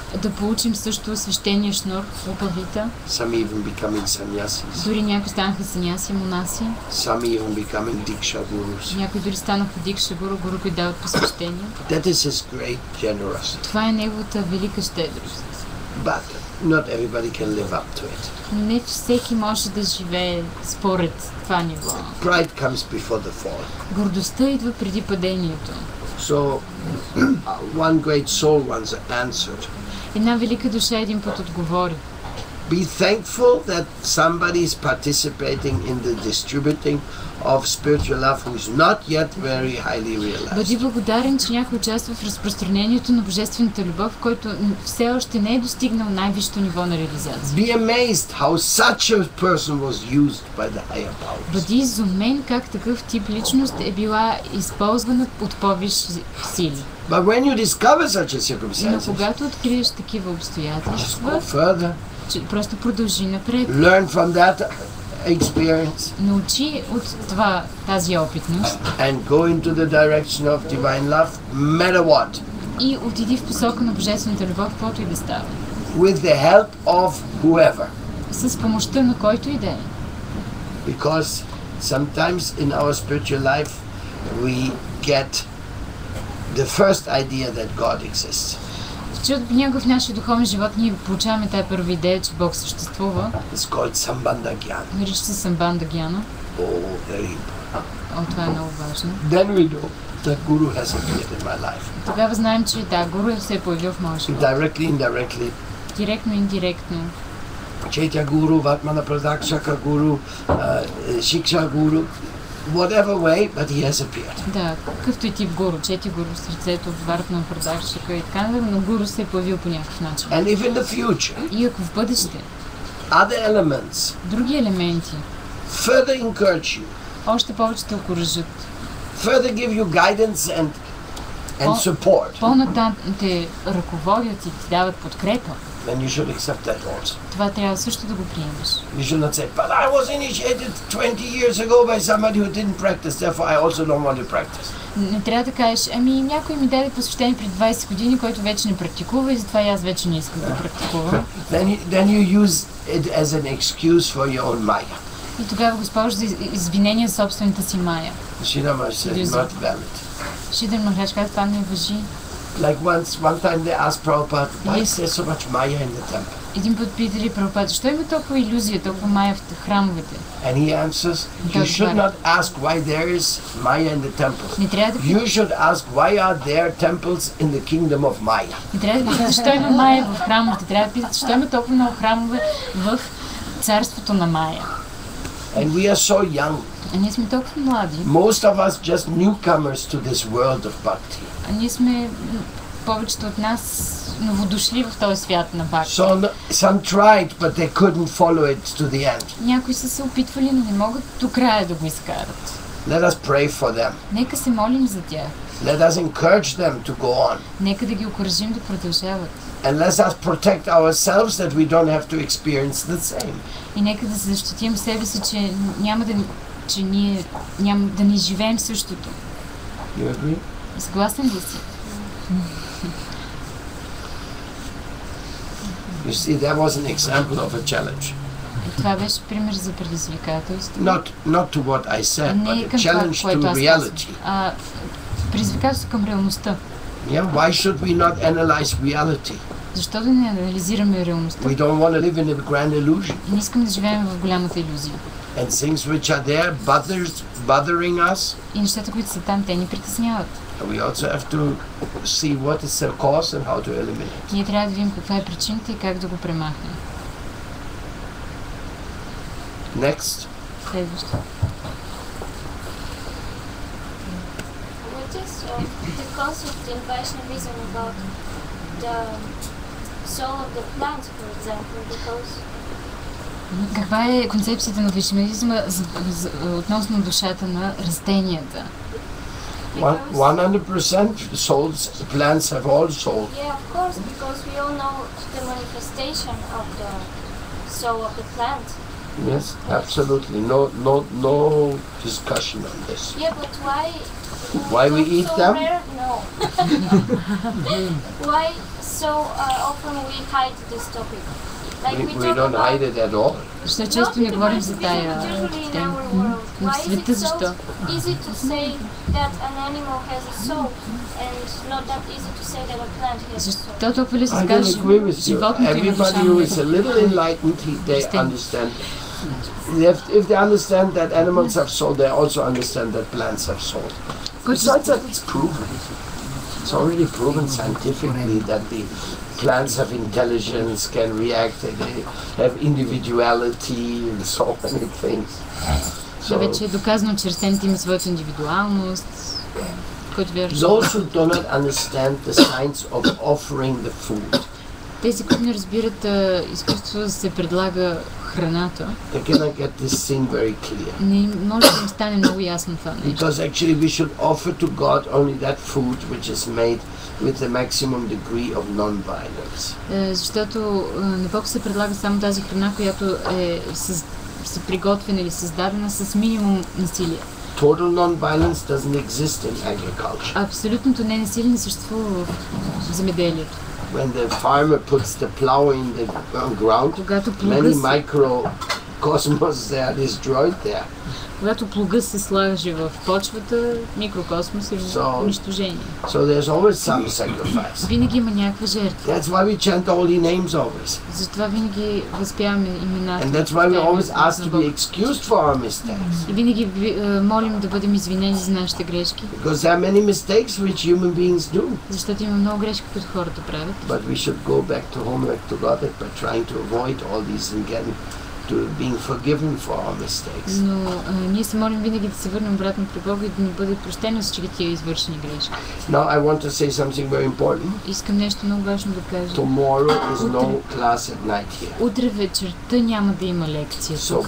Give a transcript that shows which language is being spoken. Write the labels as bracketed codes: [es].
[bg] Да получим също свещения шнур, Упавита. [en] Some even becoming sannyasis. [bg] Дори някои станаха саньяси, монаси. [en] Some even becoming дикша гурус. [bg] Някои дори станаха дикша гуру, гуру, които дават посвещение. [en] That is his great generosity. [bg] Това е неговата велика щедрост. [en] But not everybody can live up to it. [bg] Не всеки може да живее според това ниво. [en] Pride comes before the fall. [bg] Гордостта идва преди падението. [en] So one great soul once answered. [bg] Една велика душа един път отговори. [en] Be thankful that somebody is participating in the distributing of spiritual love who is not yet very highly realized. [bg] Бъди благодарен, че някой участва в разпространението на божествената любов, който все още не е достигнал най-висшето ниво на реализация. [en] Be amazed how such a person was used by the higher powers. [bg] Бъди изумен как такъв тип личност е била използвана от по-висши сили. [en] But when you discover such a circumstance, [bg] но когато откриеш такива обстоятелства, [en] just go further. [bg] Просто продължи напред. [en] Learn from that experience. [bg] Научи от това тази опитност. [en] And go into the direction of divine love, matter what. [bg] И отиди в посока на божествената любов, каквото и да става. [en] With the help of whoever. [bg] С помощта на който и да е. [en] Because sometimes in our spiritual life we get the first idea that God exists. [bg] Чудо някога в нашия духовен живот ние получаваме тая първа идея, че Бог съществува. [en] It's called Sambandha Gyan. [bg] Нарича се Sambandha Gyan. [en] Oh, very important. [bg] Това е много важно. [en] Then we know that Guru has appeared in my life. [bg] Тогава знаем, че да, Гуру се е появил в моя живот. [en] Directly, indirectly. [bg] Директно, индиректно. Четя Гуру, Ватмана Прадакшака Гуру, Шикша Гуру. [en] Whatever way, but he has appeared. [bg] Да, какъвто и тип гуру, чети гуру в сърцето, в варта на продавщика и така, но гуру се е появил по някакъв начин. [en] And if in the future, [bg] и ако в бъдеще, [en] other elements, [bg] други елементи, [en] further encourage you, [bg] още повече те окуражат, [en] further give you guidance and support, [bg] по-нататък те ръководят и ти дават подкрепа, [en] then you should accept that also. [bg] Това трябва също да го приемеш. [en] You should not say, but I was initiated 20 years ago by somebody who didn't practice, therefore I also don't want to practice. [bg] Не трябва да кажеш, ами някой ми даде посвещение пред 20 години, който вече не практикува и затова и аз вече не искам да практикувам. [en] Then you use it as an excuse for your own maya. [bg] И тогава Господ за извинение собствената си майя. Шида Махарадж каза, това не е важно. Шида Махарадж каза, това не е важно. [en] Like one time they asked Prabhupada, why is there so much Maya in the temple? [bg] Един път питали Прабхупада, защо има толкова иллюзия, толкова Maya в храмовете? [en] And he answers, you should not ask why there is Maya in the temples. [bg] Не трябва да питате. [en] You should ask why are there temples in the kingdom of Maya. [bg] Не трябва да питате, защо има Maya в храмовете? Трябва да питате, защо има толкова много храмове в царството на Maya? [en] And we are so young. [bg] А ние сме толкова млади. [en] Most of us just newcomers to this world of bhakti. [bg] А ние сме повечето от нас новодошли в този свят на бхакти. [en] So some tried, but they couldn't follow it to the end. [bg] Някои са се опитвали, но не могат до края да го изкарат. [en] Let us pray for them. [bg] Нека се молим за тях. [en] Let us encourage them to go on. [bg] Нека да ги окуражим да продължават. [en] And let us protect ourselves that we don't have to experience the same. [bg] И нека да се защитим себе си, че няма да че ние няма да не живеем същото. [en] You agree? [bg] Съгласен ли си? [en] You see, that was an example of a challenge. [bg] Това беше пример за предизвикателство. [en] Not to what I said, but a challenge to reality. [bg] Предизвикателство към реалността. [en] Yeah, why should we not analyze reality? [bg] Защо да не анализираме реалността? [en] We don't want to live in a grand illusion. [bg] Не искам да живеем в голямата иллюзия. [en] And things which are there bothering us. [bg] И нещата, които са там, те ни притесняват. [en] We also have to see what is the cause and how to eliminate. [bg] Ние трябва да видим каква е причината и как да го премахнем. [en] Next. [bg] Следващо. [en] The cause of the Vaishnavism about the soul of the plant, for example, because [bg] каква е концепцията на вишнавизма относно душата на растенията? [en] 100% souls, plants have all souls. Yeah, of course, because we all know the manifestation of the soul of the plant. Yes, absolutely. No discussion on this. Yeah, but why? Why we eat so them? Rare? No. Why so often we hide this topic? Like we don't hide it at all. [bg] Защо често не говорим за тая тема? В света защо? [en] Easy to say that an animal has a soul and not that easy to say that a plant has a soul. [bg] Защо толкова ли се казва животното има душа? [en] Everybody who is a little enlightened, they understand. If they understand that animals have soul, they also understand that plants have soul. Besides that, it's proven. It's already proven scientifically that the plants have intelligence, can react, they have individuality and so many things. [bg] So вече е доказано, че растенията имат своята индивидуалност. [en] Those who do not understand the science of offering the food. [bg] Тези, които не разбират изкуството да се предлага храната. [en] They cannot get this thing very clear. [bg] Не може да стане много ясно това нещо. [en] Because actually we should offer to God only that food which is made with the maximum degree of non-violence. [bg] Защото на Бог се предлага само тази храна, която е се приготвена или създадена с минимум насилие. [en] Total non-violence doesn't exist in agriculture. [bg] Абсолютното ненасилие не съществува в земеделието. [en] When the farmer puts the plow in the ground, many microcosmos there are destroyed there. [bg] Когато плуга се слага в почвата, микрокосмос е унищожение. [en] So there's always some sacrifice. [bg] Винаги има някаква жертва. [en] That's why we chant the holy names always. [bg] Затова винаги възпяваме имената. [en] And that's why we always ask to be excused for our mistakes. [bg] И винаги молим да бъдем извинени за нашите грешки. [en] Because there are many mistakes which human beings do. [bg] Защото има много грешки, които хората правят. [en] But we should go back to homework to God by trying to avoid all these and getting to being forgiven for our mistakes. [bg] Но ние се молим винаги да се върнем обратно при Бога и да ни бъде прощено всички тия извършени грешки. [en] Now I want to say something very important. [bg] Искам нещо много важно да кажа. [en] Tomorrow is no class at night here. [bg] Утре вечерта няма да има лекция тук.